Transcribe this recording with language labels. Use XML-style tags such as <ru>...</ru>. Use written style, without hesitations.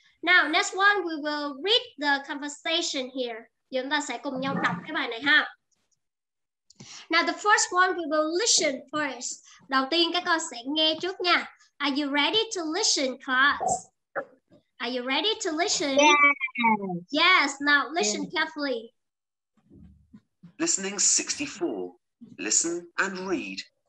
<en>Now, next one, we will read the conversation here.</en> <vi>Chúng ta sẽ cùng nhau đọc cái bài này ha.</vi> <en>Now, the first one, we will listen first.</en> <vi>Đầu tiên, các con sẽ nghe trước nha.</vi> <en>Are you ready to listen, class? Are you ready to listen? Yes. Yes, now listen carefully. Listening 64. Listen and read.</en>